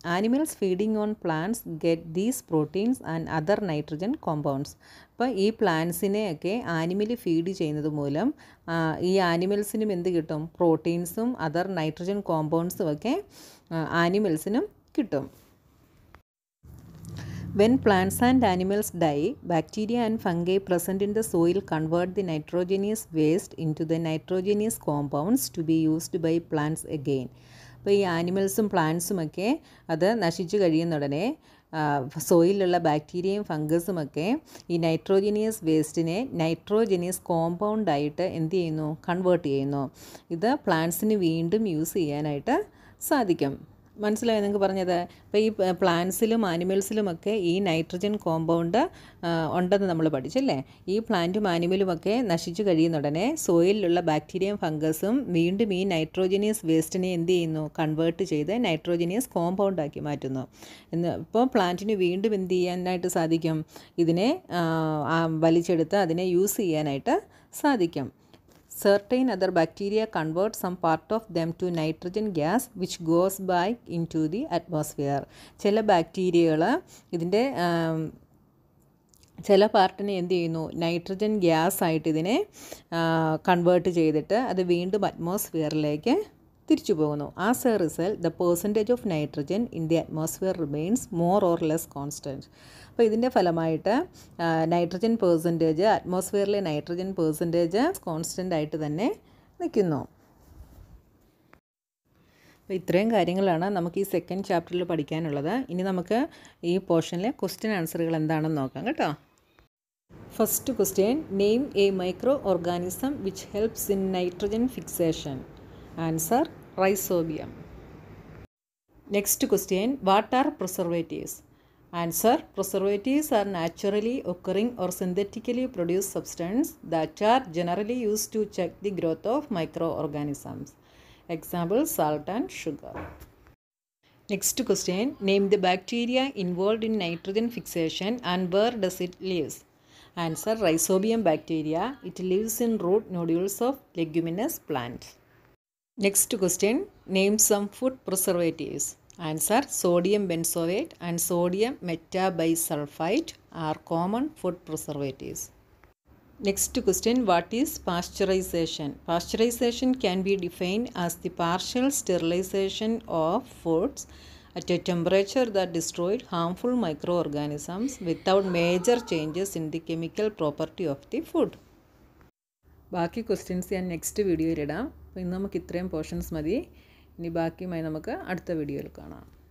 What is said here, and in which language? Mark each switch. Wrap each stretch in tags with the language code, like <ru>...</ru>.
<en>Animals feeding on plants get these proteins and other nitrogen compounds.</en> <ml>അപ്പോൾ ഈ പ്ലാന്റ്സിനെയൊക്കെ animal feed ചെയ്യുന്നത് മൂലം ഈ ആനിമൽസിനും എന്ത് കിട്ടും, പ്രോട്ടീൻസും അതർ നൈട്രജൻ കോമ്പൗണ്ട്സും ഒക്കെ ആനിമൽസിനും കിട്ടും.</ml> <en>When plants and animals die, bacteria and fungi present in the soil convert the nitrogenous waste into the nitrogenous compounds to be used by plants again.</en> <ml>അപ്പോൾ ഈ ആനിമൽസും പ്ലാന്റ്സുമൊക്കെ അത് നശിച്ചു കഴിയുന്നുടനെ സോയിലുള്ള ബാക്ടീരിയയും ഫംഗസുമൊക്കെ ഈ നൈട്രോജനിയസ് വേസ്റ്റിനെ നൈട്രോജനിയസ് കോമ്പൗണ്ടായിട്ട് എന്ത് ചെയ്യുന്നു, കൺവേർട്ട് ചെയ്യുന്നു. ഇത് പ്ലാന്റ്സിന് വീണ്ടും യൂസ് ചെയ്യാനായിട്ട് സാധിക്കും. മനസ്സിലായി നിങ്ങൾക്ക് പറഞ്ഞത്? അപ്പോൾ ഈ പ്ലാന്റ്സിലും ആനിമൽസിലുമൊക്കെ ഈ നൈട്രജൻ കോമ്പൗണ്ട് ഉണ്ടെന്ന് നമ്മൾ പഠിച്ചല്ലേ. ഈ പ്ലാന്റും ആനിമലുമൊക്കെ നശിച്ചു കഴിയുന്നുടനെ സോയിലുള്ള ബാക്ടീരിയയും ഫംഗസും വീണ്ടും ഈ നൈട്രോജനിയസ് വേസ്റ്റിനെ എന്ത് ചെയ്യുന്നു, കൺവേർട്ട് ചെയ്ത് നൈട്രോജനിയസ് കോമ്പൗണ്ടാക്കി മാറ്റുന്നു. എന്ന് ഇപ്പോൾ പ്ലാന്റിന് വീണ്ടും എന്ത് ചെയ്യാനായിട്ട് സാധിക്കും, ഇതിനെ വലിച്ചെടുത്ത് അതിനെ യൂസ് ചെയ്യാനായിട്ട് സാധിക്കും.</ml> <en>Certain other bacteria convert some part of them to nitrogen gas which goes back into the atmosphere.</en> <ml>ചില ബാക്ടീരിയകൾ ഇതിൻ്റെ ചില പാർട്ടിനെ എന്ത് ചെയ്യുന്നു, നൈട്രജൻ ഗ്യാസായിട്ട് ഇതിനെ കൺവേർട്ട് ചെയ്തിട്ട് അത് വീണ്ടും അറ്റ്മോസ്ഫിയറിലേക്ക് തിരിച്ചു പോകുന്നു.</ml> <en>As a result the percentage of nitrogen in the atmosphere remains more or less constant.</en> <ml>അപ്പോൾ ഇതിൻ്റെ ഫലമായിട്ട് nitrogen percentage അറ്റ്മോസ്ഫിയറിലെ nitrogen percentage constant ആയിട്ട് തന്നെ നിൽക്കുന്നു. അപ്പോൾ ഇത്രയും കാര്യങ്ങളാണ് നമുക്ക് ഈ സെക്കൻഡ് ചാപ്റ്ററിൽ പഠിക്കാനുള്ളത്. ഇനി നമുക്ക് ഈ പോർഷനിലെ ക്വസ്റ്റ്യൻ ആൻസറുകൾ എന്താണെന്ന് നോക്കാം കേട്ടോ.</ml> <en>First question, name a microorganism which helps in nitrogen fixation. Answer, rhizobium. Next question, what are preservatives? Answer, preservatives are naturally occurring or synthetically produce substance that are generally use to check the growth of microorganisms. Example, salt and sugar. Next question, name the bacteria involved in nitrogen fixation and where does it live? Answer, rhizobium bacteria. It lives in root nodules of leguminous plant. Next question, name some food preservatives. Answer, sodium benzoate and sodium metabisulfite are common food preservatives. Next question, what is pasteurization? Pasteurization can be defined as the partial sterilization of foods at a temperature that destroyed harmful microorganisms without major changes in the chemical property of the food.</en> <ml>ബാക്കി questions ഞാൻ next വീഡിയോയിൽ ഇടാം. അപ്പോൾ ഇന്ന് നമുക്ക് ഇത്രയും portions മതി. ഇനി ബാക്കിയുമായി നമുക്ക് അടുത്ത വീഡിയോയിൽ കാണാം.</ml>